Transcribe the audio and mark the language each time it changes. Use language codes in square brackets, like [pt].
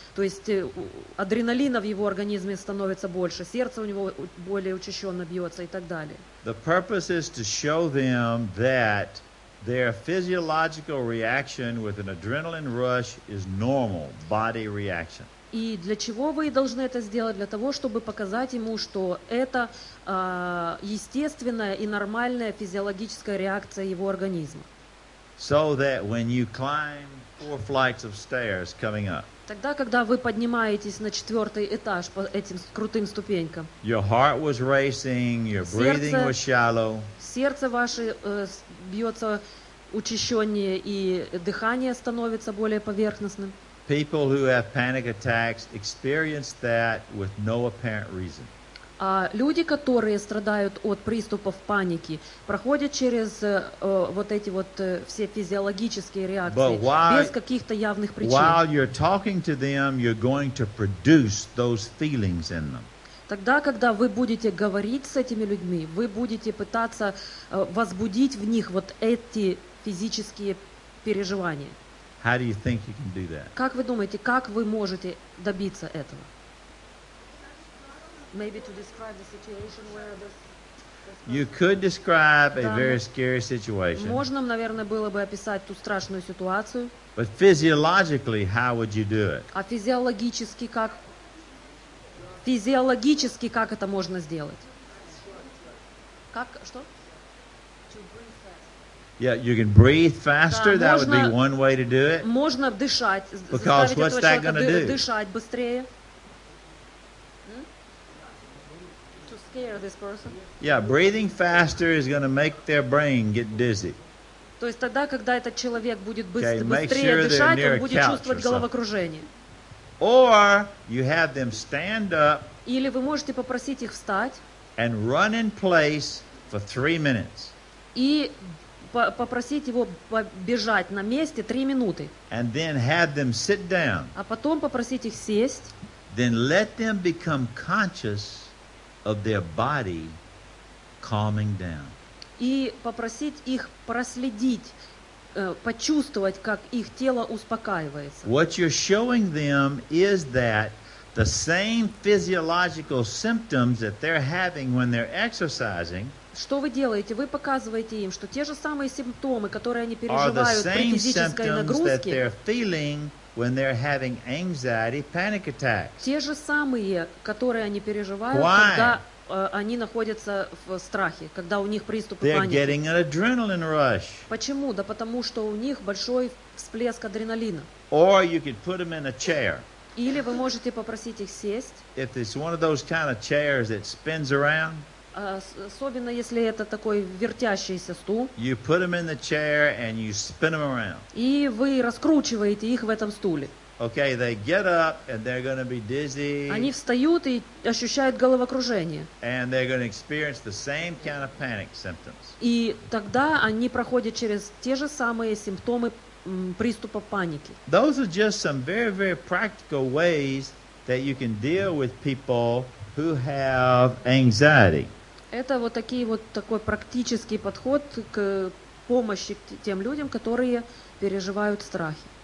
[ru] То есть адреналина в его организме становится больше, сердце у него более учащенно бьется и так далее. [en] The purpose is to show them that their physiological reaction with an adrenaline rush is normal body reaction. [ru] И для чего вы должны это сделать? Для того, чтобы показать ему, что это естественная и нормальная физиологическая реакция его организма. [en] So that when you climb 4 flights of stairs coming up. [ru] Тогда, когда вы поднимаетесь на 4-й этаж по этим крутым ступенькам. [en] Your heart was racing, your breathing was shallow. [ru] Сердце ваше бьется учащеннее и дыхание становится более поверхностным. [en] People who have panic attacks experience that with no apparent reason. [ru] А люди, которые страдают от приступов паники, проходят через вот эти вот все физиологические реакции без каких-то явных причин. [en] While you're talking to them, you're going to produce those feelings in them. [ru] Тогда, когда вы будете говорить с этими людьми, вы будете пытаться возбудить в них вот эти физические переживания. [en] How do you think you can do that? [ru] Как вы думаете, как вы можете добиться этого? [en] Maybe to describe the situation where this You could describe a very scary situation. [ru] Можно, наверное, было бы описать ту страшную ситуацию. [en] But physiologically, how would you do it? [ru] А физиологически как? Физиологически как это можно сделать? Как что? [en] Yeah, you can breathe faster. That would be one way to do it. [ru] Можно дышать. [en] Because what's that going to do? [ru] Дышать быстрее. [en] To scare this person. Yeah, breathing faster is going to make their brain get dizzy. [ru] То есть тогда, когда этот человек будет быстрее дышать, он будет чувствовать головокружение. [en] Or you have them stand up. [ru] Или вы можете попросить их встать. [en] And run in place for 3 minutes. [ru] И попросить его побежать на месте 3 минуты. [en] And then have them sit down. [ru] А потом попросить их сесть. [en] Then let them become conscious of their body calming down. [ru] И попросить их проследить, почувствовать, как их тело успокаивается. [en] What you're showing them is that the same physiological symptoms that they're having when they're exercising. [ru] Что вы делаете? Вы показываете им, что те же самые симптомы, которые они переживают при физической нагрузке, те же самые, которые они переживают, когда они находятся в страхе, когда у них приступ паники. Почему? Да потому что у них большой всплеск адреналина. [en] Or you could put them in a chair. [ru] Или вы можете попросить их сесть. [en] If it's one of those kind of chairs that spins around. [ru] Особенно если это такой вертящийся стул. [en] You put them in the chair and you spin them around. [ru] И вы раскручиваете их в этом стуле. [en] Okay, they get up and they're going to be dizzy. [ru] Они встают и ощущают головокружение. [en] And they're going to experience the same kind of panic symptoms. [ru] И тогда они проходят через те же самые симптомы приступа паники. [en] Those are just some very, very practical ways that you can deal with people who have anxiety. [ru] Это вот такие вот такой практический подход к помощи тем людям, которые переживают страхи.